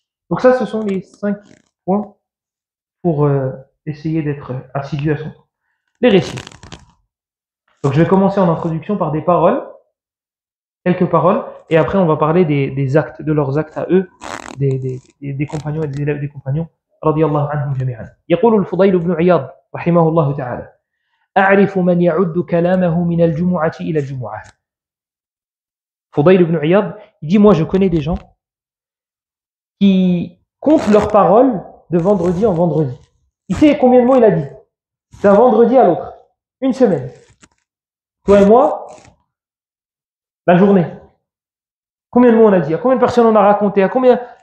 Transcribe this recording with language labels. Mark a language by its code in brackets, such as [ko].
[fr] Donc ça, ce sont les cinq points pour essayer d'être assidu à son temps. Les récits. Donc je vais commencer en introduction par des paroles. Quelques paroles. Et après, on va parler des actes, de leurs actes à eux. Des compagnons et des élèves des compagnons radiyallahu anhum jami'an. [ar] يقول الفضيل بن عياض رحمه الله تعالى اعرف من يعد كلامه من الجمعه الى الجمعه. [fr] فضيل بن عياض dit moi je connais des gens qui comptent leurs paroles de vendredi en vendredi. Il sait combien de mots il a dit d'un vendredi à l'autre, une semaine. Toi et moi, la journée, combien de mots on a dit, à combien de personnes on a raconté, à combien.